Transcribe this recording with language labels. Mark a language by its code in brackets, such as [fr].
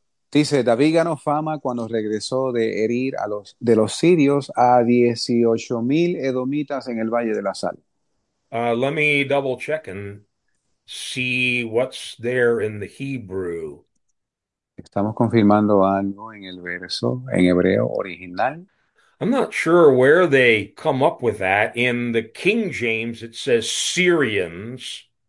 [es] Dice, David ganó fama cuando regresó de herir a los sirios a 18.000 edomitas en el Valle de la Sal. [en] Let me double check and see what's there in the Hebrew. [es] Estamos confirmando algo en el verso, en hebreo original. [en] I'm not sure where they come up with that. In the King James, it says Syrians.